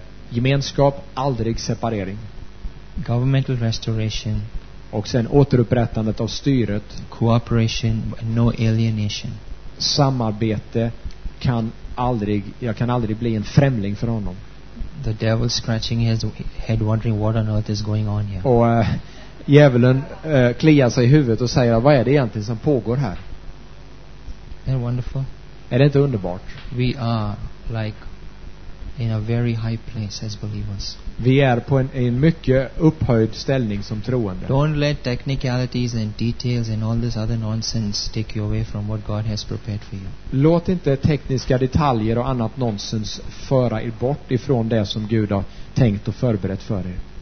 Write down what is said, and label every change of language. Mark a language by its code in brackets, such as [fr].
[sv] Gemenskap, aldrig separering. [en] Governmental restoration. [sv] Och sen återupprättandet av styret. [en] Cooperation, no alienation. [sv] Samarbete kan aldrig, jag kan aldrig bli en främling för honom. [en] The devil scratching his head wondering what on earth is going on here. [sv] Och djävulen kliar sig i huvudet och säger, vad är det egentligen som pågår här? [en] Isn't that wonderful? [sv] Är det inte underbart? [en] We are like in a very high place as believers. [sv] Vi är på en mycket upphöjd ställning som troende. [en] Don't let technicalities and details and all this other nonsense take you away from what God has prepared for you. [sv] Låt inte tekniska detaljer och annat nonsens föra er bort ifrån det som Gud har tänkt och förberett för er.